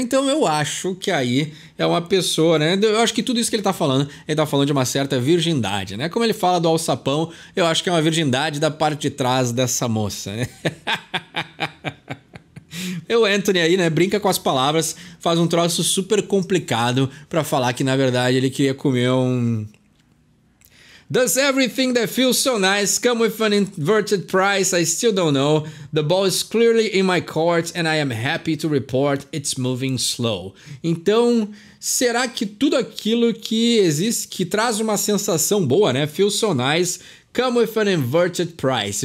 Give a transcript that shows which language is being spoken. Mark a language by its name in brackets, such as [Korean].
[Portuguese] Então eu acho que aí é uma pessoa, né? Eu acho que tudo isso que ele tá falando de uma certa virgindade, né? Como ele fala do alçapão, eu acho que é uma virgindade da parte de trás dessa moça, né? O Anthony aí, né, brinca com as palavras, faz um troço super complicado pra falar que, na verdade, ele queria comer um... [English] Does everything that feels so nice come with an inverted price? I still don't know. The ball is clearly in my court and I am happy to report it's moving slow. [Portuguese] Então, será que tudo aquilo que existe, que traz uma sensação boa, né? [English] Feels so nice, come with an inverted price.